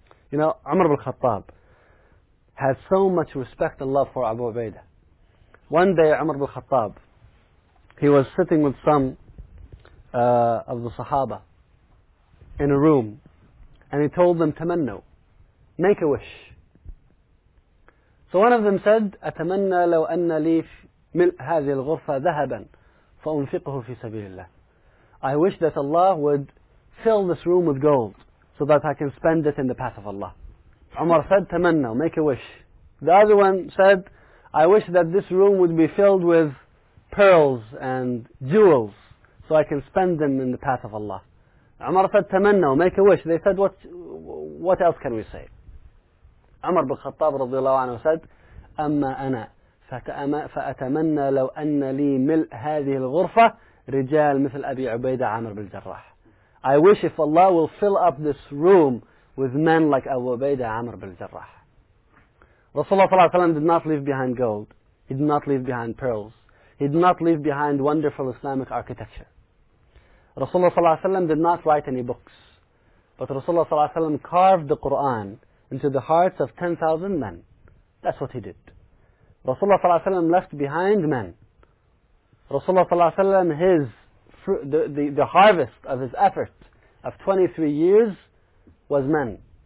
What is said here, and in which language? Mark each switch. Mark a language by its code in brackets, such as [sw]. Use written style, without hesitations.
[en] You know, Umar ibn Khattab has so much respect and love for Abu Ubaidah. One day Umar ibn Khattab, he was sitting with some of the Sahaba in a room, and he told them, tamannu, make a wish. [ar] So one of them said, أتمنى لو أن لي ملء هذه الغرفة ذهبا فأنفقه في سبيل الله. [en] I wish that Allah would fill this room with gold so that I can spend it in the path of Allah. Umar said, تمنى, make a wish. The other one said, I wish that this room would be filled with pearls and jewels so I can spend them in the path of Allah. Umar said, تمنى, make a wish. They said, what else can we say? [ar] عمر بن الخطاب رضي الله عنه said, أما أنا فأتمنى لو أن لي ملء هذه الغرفة رجال مثل أبي عبيدة عمر بن الجراح. [en] I wish if Allah will fill up this room with men like Abu Ubaidah عمر بن الجراح. رسول الله صلى الله عليه وسلم did not leave behind gold. He did not leave behind pearls. He did not leave behind wonderful Islamic architecture. رسول الله صلى الله عليه وسلم did not write any books. But رسول الله صلى الله عليه وسلم carved the Quran into the hearts of 10,000 men. That's what he did. Rasulullah sallallahu alaihi wasallam left behind men. Rasulullah sallallahu alaihi wasallam, the harvest of his effort of 23 years was men.